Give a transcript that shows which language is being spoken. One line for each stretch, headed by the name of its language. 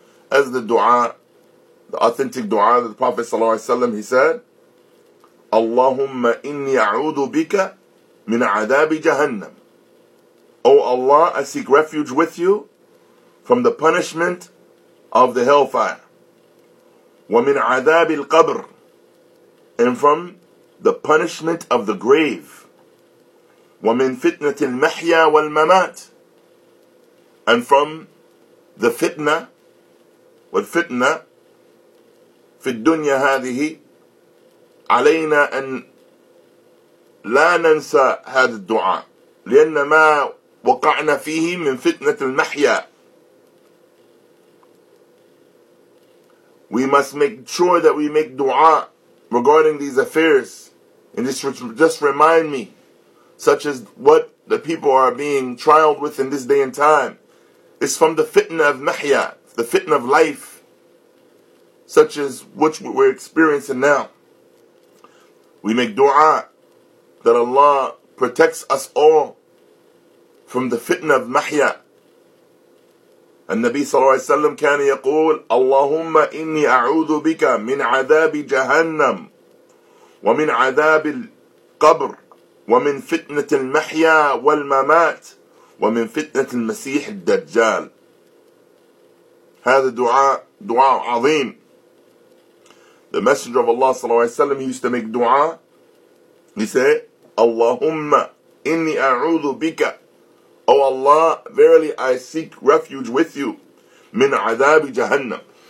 English: As the dua, the authentic dua that the Prophet sallallahu alaihi wasallam, he said,
Arabic: Allahumma inni a'udhu bika min adabi jahannam.
English: O Allah, I seek refuge with you from the punishment of the hellfire.
Arabic: وَمِنْ عَذَابِ الْقَبْرِ,
English: and from the punishment of the grave.
Arabic: وَمِنْ فِتْنَةِ الْمَحْيَا وَالْمَمَاتِ,
English: and from the fitna,
Arabic: وَالْفِتْنَةِ فِي الدُّنْيَا هَذِهِ, عَلَيْنَا أَنْ لَا نَنْسَى هَذَا الدُّعَى, لِأَنَّ مَا وَقَعْنَا فِيهِ مِنْ فِتْنَةِ الْمَحْيَا.
English: We must make sure that we make dua regarding these affairs. And this just remind me, such as what the people are being trialed with in this day and time. It's from the fitna of mahya, the fitna of life, such as which we're experiencing now. We make dua that Allah protects us all from the fitna of mahya.
Arabic: النبي صلى الله عليه وسلم كان يقول اللهم إني أعوذ بك من عذاب جهنم ومن عذاب القبر ومن فتنة المحيا والممات ومن فتنة المسيح الدجال. هذا دعاء, دعاء عظيم.
English: The Messenger of Allah صلى الله عليه وسلم, he used to make دعاء. He said,
Arabic: اللهم إني أعوذ بك,
English: O Allah, verily I seek refuge with you,
Arabic: min adabi jahannam,